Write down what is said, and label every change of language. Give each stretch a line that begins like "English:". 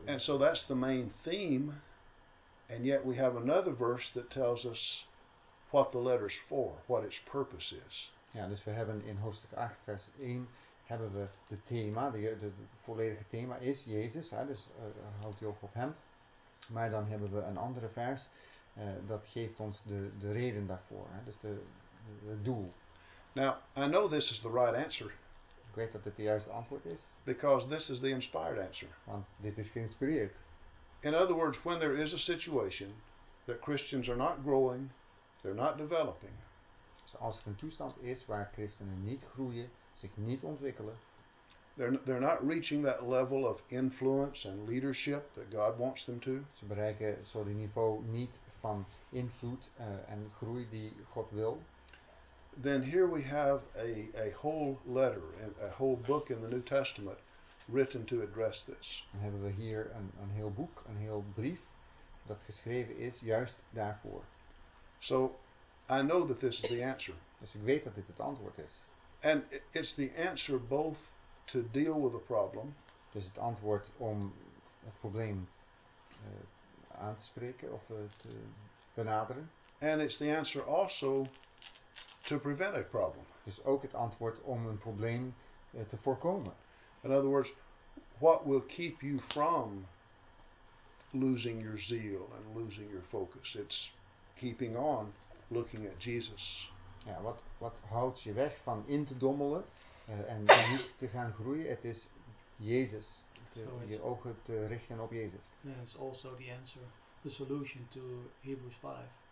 English: and so that's the main theme. And yet we have another verse that tells us what the letter's for, what its purpose is.
Dutch: Ja, dus we hebben in hoofdstuk 8, vers 1, hebben we de thema, de volledige thema is Jezus, hè, dus houd je oog op hem. Maar dan hebben we een andere vers, dat geeft ons de reden daarvoor, hè, dus de doel.
English: Now, I know this is the right answer.
Dutch: Ik weet dat dit de juiste antwoord is.
English: Because this is the inspired answer.
Dutch: Want dit is geïnspireerd.
English: In other words, when there is a situation that Christians are not growing, they're not developing.
Dutch: So als er een toestand is waar christenen niet groeien, zich niet ontwikkelen,
English: they're not reaching that level of influence and leadership that God wants them to.
Dutch: Ze bereiken zo die niveau niet van invloed en groei die God wil.
English: Then here we have a whole letter, a whole book in the New Testament. Written to address this.
Dutch: Dan hebben we hier een heel boek, een heel brief dat geschreven is juist daarvoor.
English: So, I know that this is the answer.
Dutch: Dus ik weet dat dit het antwoord is.
English: And it's the answer both to deal with the problem.
Dutch: Dus het antwoord om het probleem aan te spreken of te benaderen.
English: And it's the answer also to prevent a problem.
Dutch: Dus ook het antwoord om een probleem te voorkomen.
English: In other words, what will keep you from losing your zeal and losing your focus? It's keeping on looking at Jesus.
Dutch: Ja, wat houdt je weg van in te dommelen en niet te gaan groeien? Het is Jezus. Je ogen te richten op Jezus.
English: Yeah, it's also the answer, the solution to Hebrews 5.